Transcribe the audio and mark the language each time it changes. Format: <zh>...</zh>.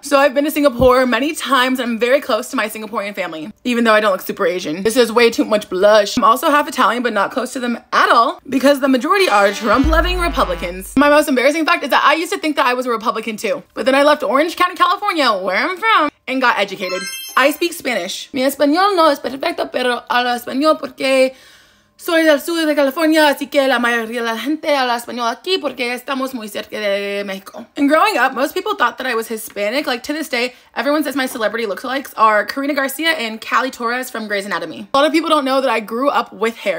<en>So, I've been to Singapore many times, and I'm very close to my Singaporean family, even though I don't look super Asian. This is way too much blush. I'm also half Italian, but not close to them at all, because the majority are Trump-loving Republicans. My most embarrassing fact is that I used to think that I was a Republican too, but then I left Orange County, California, where I'm from, and got educated. I speak Spanish.</en> <es>Mi español no es perfecto, pero hablo español porque soy del sur de California, así que la mayoría de la gente habla español aquí porque estamos muy cerca de México.</es> <en>And growing up, most people thought that I was Hispanic. Like, to this day, everyone says my celebrity lookalikes are Karina Garcia and Callie Torres from Grey's Anatomy. A lot of people don't know that I grew up with hair.</en>